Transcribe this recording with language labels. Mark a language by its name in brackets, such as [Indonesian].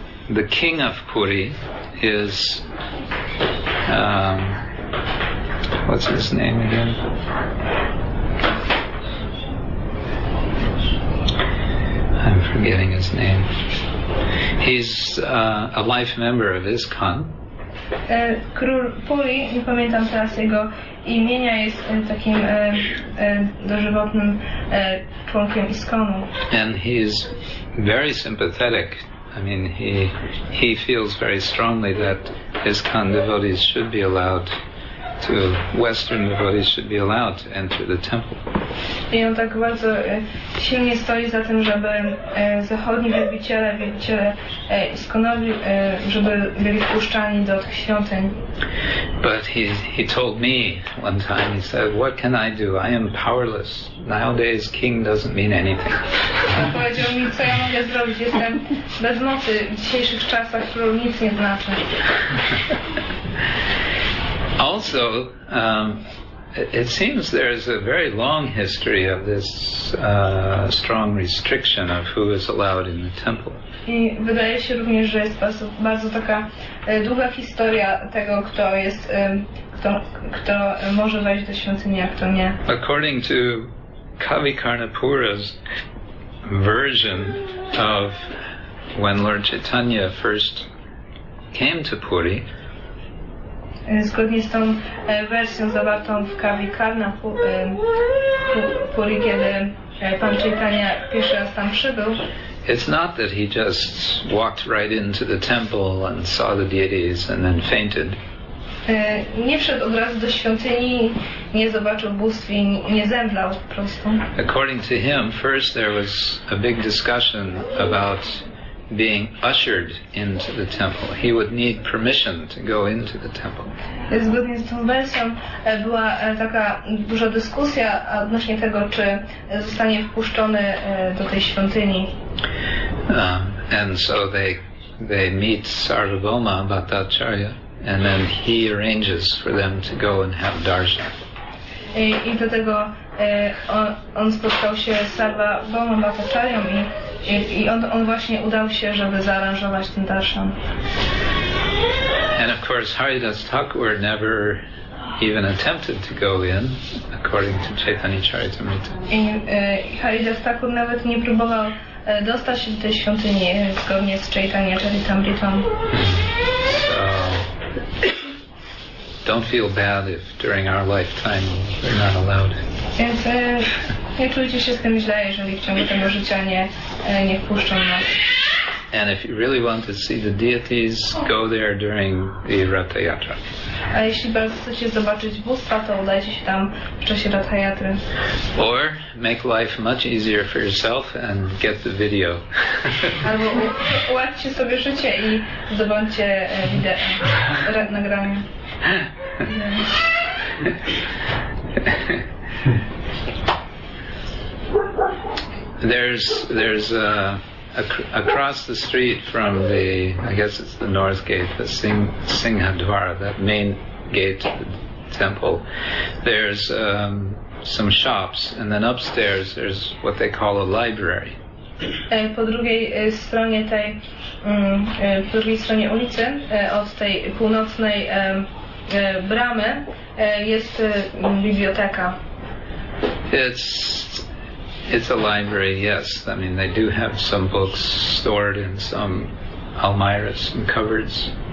[English] The king of Puri is what's his name again? I'm forgetting his name. He's a life member of ISKCON. [Polish] Król Puri, nie pamiętam teraz jego imienia, jest takim dożywotnym członkiem ISKCON-u. [English] And he's very sympathetic. I mean, he feels very strongly that ISKCON devotees should be allowed to Western devotees should be allowed to enter the temple. [Polish] I on tak bardzo silnie stoi za tym, żeby zachodni wielbiciele ISKCON-owi, żeby byli wpuszczani do tych świątyń. [English] But he told me one time, he said, what can I do? I am powerless. Nowadays king doesn't mean anything. [Polish] On powiedział mi, co ja mogę zrobić? Jestem bez mocy. W dzisiejszych czasach król nic nie znaczy. [English] Also, it seems there is a very long history of this strong restriction of who is allowed in the temple. [Polish] I wydaje się również, że jest bardzo taka długa historia tego, kto jest, kto może wejść do świątyni, a kto nie. [English] According to Kavi Karnapura's version of when Lord Chaitanya first came to Puri, [Polish] zgodnie z tą wersją zawartą w Kavi Karnapuri, kiedy Pan Chaitanya pierwszy raz tam przybył, [English] it's not that he just walked right into the temple and saw the deities and then fainted. [Polish] Nie wszedł od razu do świątyni, nie zobaczył bóstw i nie zemdlał po prostu. [English] According to him, first there was a big discussion about being ushered into the temple. He would need permission to go into the temple. [Polish] Zgodnie z tą wersją była taka duża dyskusja odnośnie tego, czy zostanie wpuszczony do tej świątyni. [English] And so they meet Sarvabhauma Bhattacharya, and then he arranges for them to go and have darshan. [Polish] I do tego on spotkał się z Sarvabhauma Bhattacharya i on właśnie udał się, żeby zaaranżować ten darshan. [English] And of course Haridas Thakur never even attempted to go in, according to Chaitanya Charitamrita. [Polish] I Haridas Thakur nawet nie próbował dostać się do tej świątyni zgodnie z Chaitanya Charitamrita. [English] Don't feel bad if during our lifetime we're not allowed. [Polish] Więc nie czujcie się z tym źle, jeżeli w ciągu tego życia nie wpuszczą nas. [English] And if you really want to see the deities, go there during the Ratha Yatra. [Polish] A jeśli bardzo chcecie zobaczyć bóstwa, to udajcie się tam w czasie Ratha Yatry. [English] Or make life much easier for yourself and get the video. [Polish] Albo ułatwcie sobie życie i zdobądźcie wideo, nagranie. [English] There's across the street from the, I guess it's the north gate, the Singhadwara, that main gate of the temple, there's some shops, and then upstairs there's what they call a library. [Polish] Po drugiej stronie tej, po drugiej stronie ulicy, od tej północnej bramy, jest biblioteka. [English] It's a library, yes. I mean, they do have some books stored in some almirahs and cupboards.